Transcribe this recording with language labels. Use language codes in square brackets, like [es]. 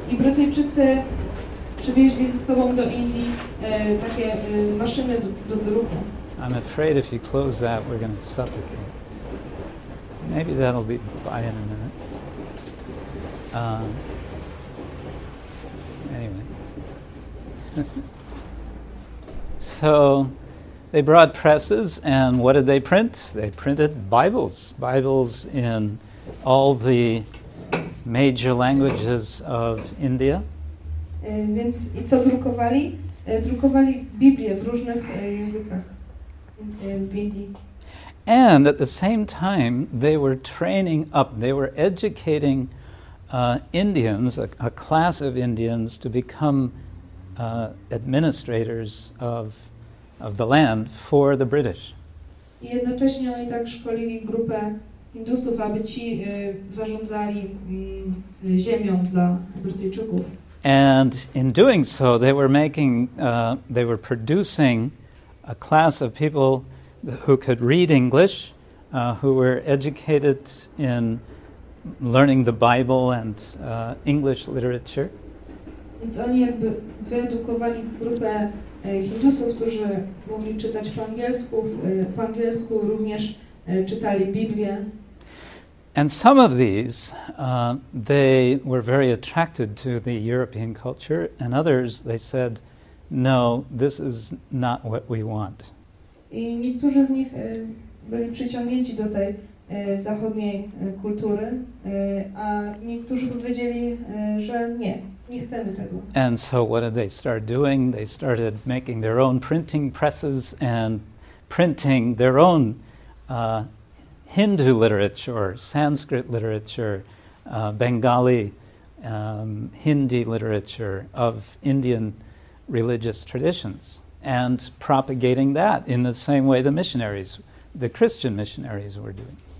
[pl] I Brytyjczycy przywieźli ze sobą do Indii takie maszyny do druku. [en] I'm afraid if you close that, we're going to suffocate. Maybe that'll be by in a minute. Anyway. So they brought presses, and what did they print? They printed Bibles. Bibles in all the major languages of India. [pl] Więc i co drukowali? Drukowali Biblię w różnych językach w Indii. [en] And at the same time, they were training up, they were educating Indians, a class of Indians, to become administrators of the land for the British. [pl] I jednocześnie oni tak szkolili grupę Hindusów, aby ci zarządzali ziemią dla Brytyjczyków. [en] And in doing so, they were making, they were producing a class of people who could read English, who were educated in learning the Bible and English literature. [pl] Więc oni jakby wyedukowali grupę Hindusów, którzy mogli czytać po angielsku również czytali Biblię. [en] And some of these, they were very attracted to the European culture, and others, they said, no, this is not what we want. [pl] I niektórzy z nich byli przyciągnięci do tej zachodniej kultury, a niektórzy powiedzieli, że nie, nie chcemy tego. [en] And so what did they start doing? They started making their own printing presses and printing their own Hindu literature, Sanskrit literature, Bengali, Hindi literature of Indian religious traditions, and propagating that in the same way the missionaries, the Christian missionaries were doing.